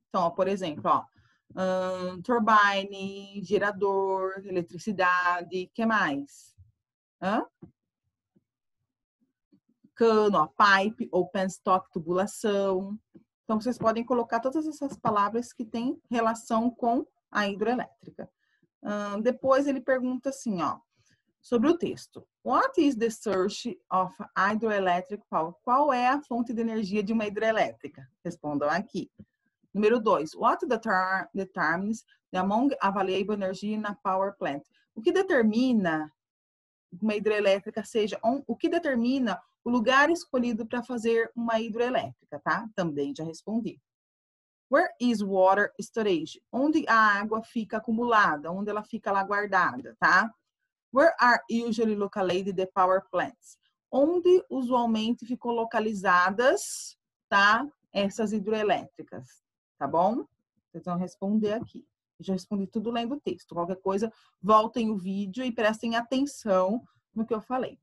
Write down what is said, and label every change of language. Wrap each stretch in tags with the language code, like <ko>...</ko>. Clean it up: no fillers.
<pt>Então, ó, por exemplo, ó, turbine, gerador, eletricidade. O que mais? Cano, ó, pipe, open stock, tubulação. Então, vocês podem colocar todas essas palavras que têm relação com a hidroelétrica. Depois ele pergunta assim, ó. sobre o texto.</pt> <en>What is the source of hydroelectric power?</en> <pt>Qual é a fonte de energia de uma hidrelétrica? Respondam aqui. Número 2.</pt> <en>What determines the amount available energy in a power plant?</en> <pt>O que determina uma hidrelétrica seja o que determina o lugar escolhido para fazer uma hidrelétrica, tá? Também já respondi.</pt> <en>Where is water storage?</en> <pt>Onde a água fica acumulada? Onde ela fica lá guardada, tá?</pt> <en>Where are usually located the power plants?</en> <pt>Onde usualmente ficam localizadas, tá? Essas hidrelétricas, tá bom? Vocês vão responder aqui. Já respondi tudo lendo o texto. Qualquer coisa, voltem o vídeo e prestem atenção no que eu falei.</pt>